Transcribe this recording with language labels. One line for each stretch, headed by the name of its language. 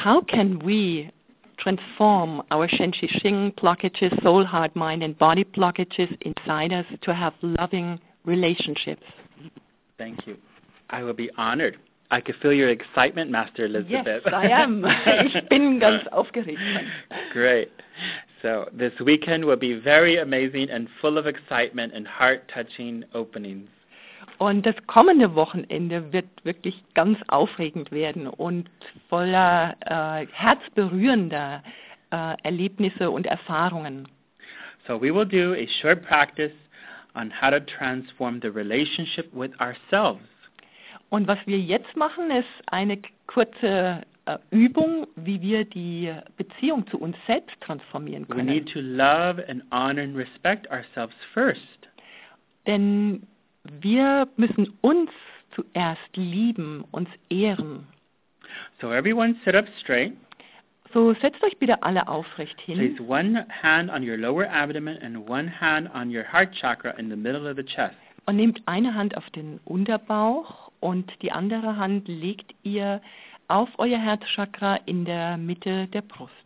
English: How can we transform our Shen Shi Xing blockages, soul, heart, mind, and body blockages inside us to have loving relationships? Thank you. I will be honored. I can feel your excitement, Master Elizabeth. Yes, I am.
German: Ich bin ganz aufgeregt.
English: Great. So this weekend will be very amazing and full of excitement and heart-touching openings.
German: Und das kommende Wochenende wird wirklich ganz aufregend werden und voller herzberührender Erlebnisse und Erfahrungen.
English: So we will do a short practice on how to transform the relationship with ourselves.
German: Und was wir jetzt machen, ist eine kurze Übung, wie wir die Beziehung zu uns selbst transformieren können.
English: We need to love and honor and respect ourselves first.
German: Denn wir müssen uns zuerst lieben, uns ehren.
English: So everyone sit up straight.
German: So setzt euch bitte alle aufrecht hin.
English: Place one hand on your lower abdomen and one hand on your heart chakra in the middle of the chest.
German: Und nehmt eine Hand auf den Unterbauch und die andere Hand legt ihr auf euer Herzchakra in der Mitte der Brust.